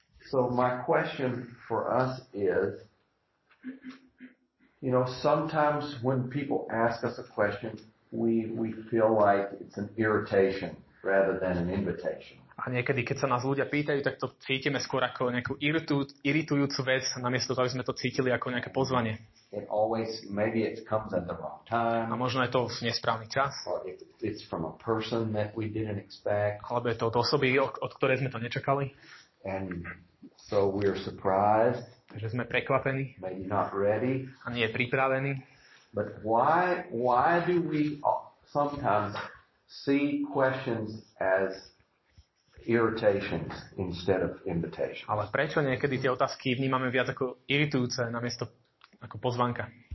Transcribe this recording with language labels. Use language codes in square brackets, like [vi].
[en] So my question for us is, you know, sometimes when people ask us a question, we feel like it's an irritation rather than an invitation. [sk] A niekedy, keď sa nás ľudia pýtajú, tak to cítime skôr ako nejakú iritujúcu vec, namiesto toho, aby sme to cítili ako nejaké pozvanie. [en] It always, maybe it comes at the wrong time. [sk] A možno je to v nesprávny čas. [en] Or it's from a person that we didn't expect. [sk] Alebo je to od osoby, od ktorej sme to nečakali. [en] And so we're surprised. [sk] Takže sme prekvapení. [en] Maybe not ready. [sk] A nie pripravení. [en] But why do we sometimes see questions as irritations instead of invitations? [sk] Ale prečo niekedy tie otázky vnímame viac ako iritujúce namiesto ako pozvanka?